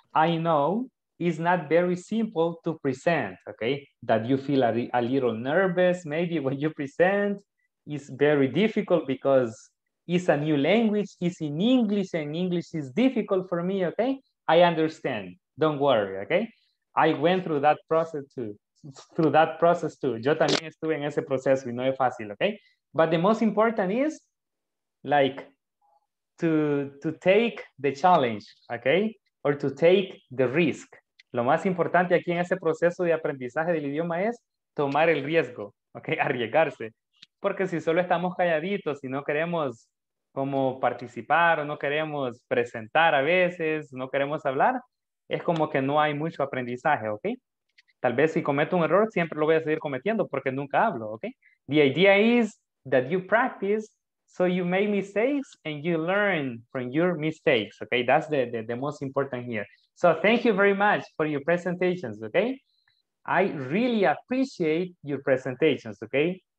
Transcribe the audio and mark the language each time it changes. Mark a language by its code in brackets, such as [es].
[en] I know it's not very simple to present, okay? That you feel a little nervous maybe when you present. It's very difficult because it's a new language. It's in English, and English is difficult for me, okay? I understand. Don't worry, okay? I went through that process too. [es] Yo también estuve en ese proceso y no es fácil, okay? [en] But the most important is, like, to take the challenge, okay? Or to take the risk. [es] Lo más importante aquí en ese proceso de aprendizaje del idioma es tomar el riesgo, okay? Arriesgarse. Porque si solo estamos calladitos y no queremos como participar o no queremos presentar a veces, no queremos hablar, es como que no hay mucho aprendizaje, okay? Tal vez si cometo un error, siempre lo voy a seguir cometiendo porque nunca hablo, ¿ok? [en] The idea is that you practice so you make mistakes and you learn from your mistakes, ¿ok? That's the most important here. So thank you very much for your presentations, ¿ok? I really appreciate your presentations, ¿ok?